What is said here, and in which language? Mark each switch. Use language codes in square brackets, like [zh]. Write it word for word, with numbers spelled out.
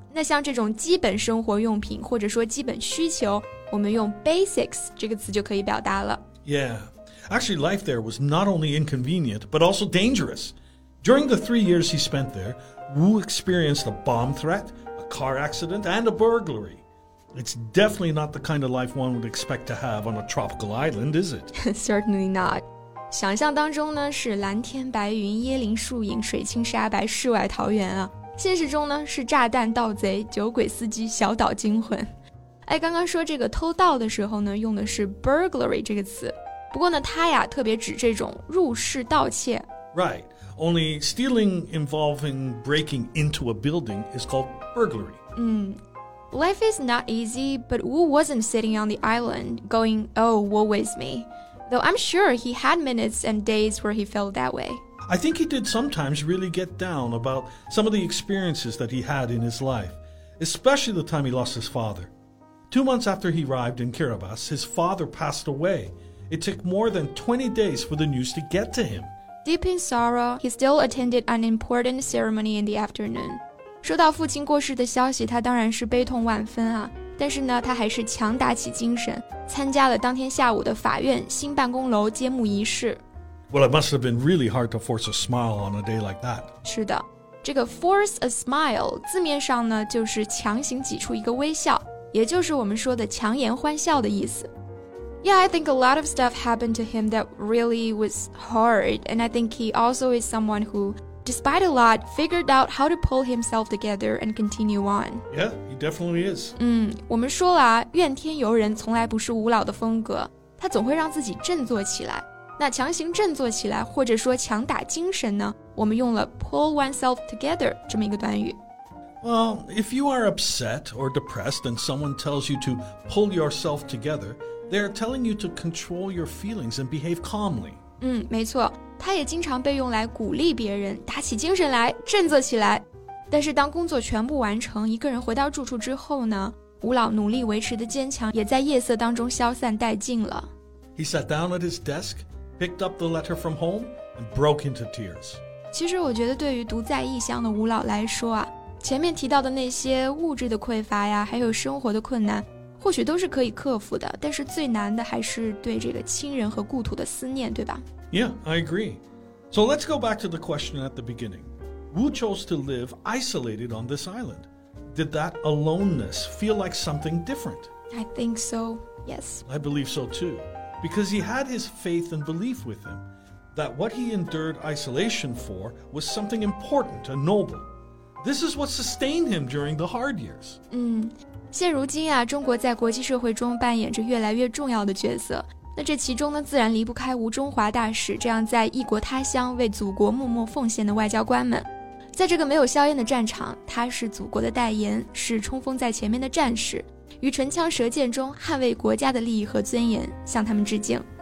[zh] 那像这种基本生活用品或者说基本需求，我们用 basics 这个词就可以表达了。 [en] Yeah, actually life there was not only inconvenient, but also dangerous. During the three years he spent there, Wu experienced a bomb threat, a car accident, and a burglary. It's definitely not the kind of life one would expect to have on a tropical island, is it? Certainly not. [zh] 想象当中呢是蓝天白云、椰林树影、水清沙白、世外桃源啊。现实中呢是炸弹、盗贼、酒鬼司机、小岛惊魂。哎，刚刚说这个偷盗的时候呢，用的是 burglary 这个词。不过呢，它呀特别指这种入室盗窃。 [en] Right, only stealing involving breaking into a building is called burglary. 嗯。 Life is not easy, but Wu wasn't sitting on the island going, oh, woe is me. Though I'm sure he had minutes and days where he felt that way. I think he did sometimes really get down about some of the experiences that he had in his life, especially the time he lost his father. Two months after he arrived in Kiribati, his father passed away. It took more than twenty days for the news to get to him. Deep in sorrow, he still attended an important ceremony in the afternoon. [zh] 收到父亲过世的消息，他当然是悲痛万分啊。但是呢，他还是强打起精神，参加了当天下午的法院新办公楼揭幕仪式。 [en] Well, it must have been really hard to force a smile on a day like that. [zh] 是的，这个 [en] force a smile [zh] 字面上呢，就是强行挤出一个微笑。也就是我们说的强颜欢笑的意思。 [en] Yeah, I think a lot of stuff happened to him that really was hard, and I think he also is someone who, despite a lot, figured out how to pull himself together and continue on. Yeah, he definitely is. [zh] 嗯，我们说了啊，怨天尤人从来不是吴老的风格，他总会让自己振作起来。那强行振作起来，或者说强打精神呢，我们用了 [en] pull oneself together [zh] 这么一个短语。 [en] Well, if you are upset or depressed and someone tells you to pull yourself together, they're telling you to control your feelings and behave calmly. [zh] 嗯，没错，它也经常被用来鼓励别人，打起精神来，振作起来。但是当工作全部完成，一个人回到住处之后呢，吴老努力维持的坚强也在夜色当中消散殆尽了。 [en] He sat down at his desk, picked up the letter from home, and broke into tears. [zh] 其实我觉得对于独在异乡的吴老来说啊，前面提到的那些物质的匮乏呀，还有生活的困难，或许都是可以克服的，但是最难的还是对这个亲人和故土的思念，对吧？ [en] Yeah, I agree. So let's go back to the question at the beginning. Wu chose to live isolated on this island. Did that aloneness feel like something different? I think so, yes. I believe so too, because he had his faith and belief with him that what he endured isolation for was something important and noble. This is what sustained him during the hard years. [zh] 嗯，现如今啊，中国在国际社会中扮演着越来越重要的角色。那这其中呢，自然离不开吴中华大使这样在异国他乡为祖国默默奉献的外交官们。在这个没有硝烟的战场，他是祖国的代言，是冲锋在前面的战士，于唇枪舌剑中捍卫国家的利益和尊严，向他们致敬。